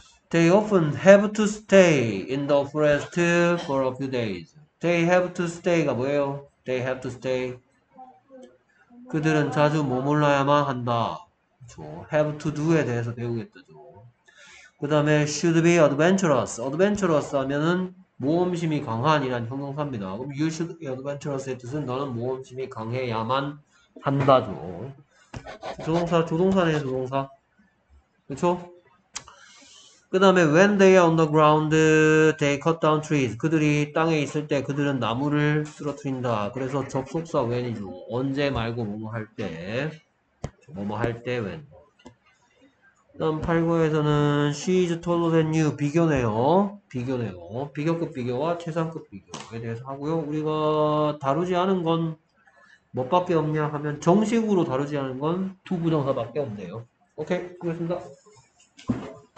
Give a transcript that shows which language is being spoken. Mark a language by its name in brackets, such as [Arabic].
[English] They often have to stay in the forest for a few days. They have to stay가 뭐예요? They have to stay. [Korean] 그들은 자주 머물러야만 한다. 그쵸? Have to do에 대해서 배우겠다죠. 그 다음에 should be adventurous. Adventurous 하면은 모험심이 강한이란 형용사입니다. 그럼 [English] you should be adventurous [Korean] 의 뜻은 너는 모험심이 강해야만 한다죠. 조동사, 조동사네, 조동사. 그쵸? 그 다음에 [English] when they are on the ground, they cut down trees. [Korean] 그들이 땅에 있을 때 그들은 나무를 쓰러뜨린다. 그래서 접속사 when이죠. 언제 말고 뭐뭐 할 때. 뭐뭐 할때 when. 그 다음 8과에서는 [English] she is taller than you. [Korean] 비교네요. 비교네요. 비교급 비교와 최상급 비교에 대해서 하고요. 우리가 다루지 않은 건 뭐밖에 없냐 하면 정식으로 다루지 않은 건 to 부정사밖에 없네요. 오케이. 그렇습니다. Thank you.